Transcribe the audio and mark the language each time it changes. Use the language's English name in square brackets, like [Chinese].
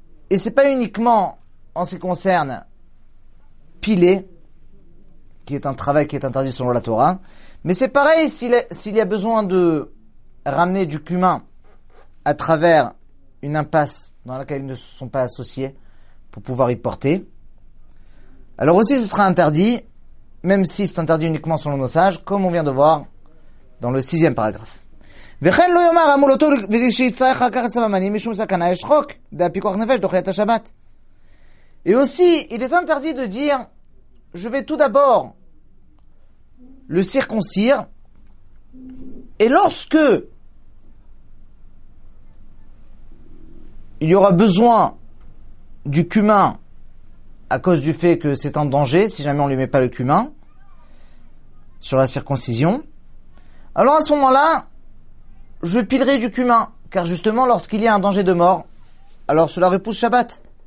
[French] Et c'est pas uniquement en ce qui concerne piler, qui est un travail qui est interdit selon la Torah, mais c'est pareil s'il y a besoin de ramener du cumin à travers une impasse dans laquelle ils ne se sont pas associés pour pouvoir y porter. Alors aussi, ce sera interdit, même si c'est interdit uniquement selon nos sages, comme on vient de voir dans le 6e paragraphe. [Hebrew] וכן לא יאמר אמור אותו ושיצטרך אחר כך סממנים משום סכנה יש חוק דהפיקוח נפש דוחה את השבת. [French] Et aussi, il est interdit de dire je vais tout d'abord le circoncire et lorsque il y aura besoin du cumin à cause du fait que c'est en danger si jamais on ne lui met pas le cumin sur la circoncision, alors à ce moment-là je pilerai du cumin, car justement, lorsqu'il y a un danger de mort, alors cela repousse Shabbat.